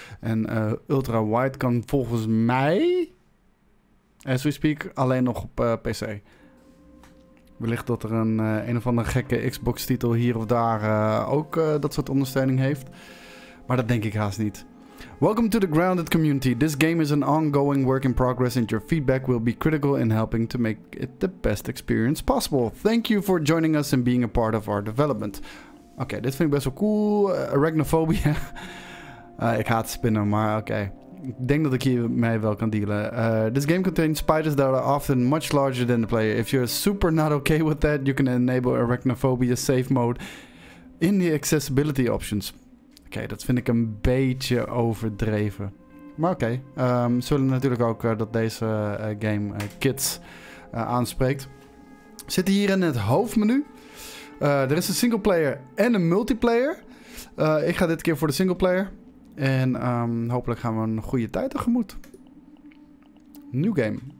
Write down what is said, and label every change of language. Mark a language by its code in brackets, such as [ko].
[nl] En ultra-wide kan volgens mij, [en] as we speak, [nl] alleen nog op PC. Wellicht dat er een of andere gekke Xbox titel hier of daar ook dat soort ondersteuning heeft. Maar dat denk ik haast niet. [en] Welcome to the Grounded community. This game is an ongoing work in progress and your feedback will be critical in helping to make it the best experience possible. Thank you for joining us and being a part of our development. [nl] Oké, dit vind ik best wel cool. Arachnophobia. ik haat spinnen, maar oké. Ik denk dat ik hiermee wel kan dealen. [en] This game contains spiders that are often much larger than the player. If you're super not okay with that, you can enable arachnophobia safe mode in the accessibility options. [nl] Oké, dat vind ik een beetje overdreven. Maar oké. Ze willen natuurlijk ook dat deze game kids aanspreekt. We zitten hier in het hoofdmenu. Er is een single player en een multiplayer. Ik ga dit keer voor de single player. En hopelijk gaan we een goede tijd tegemoet. [en] New game.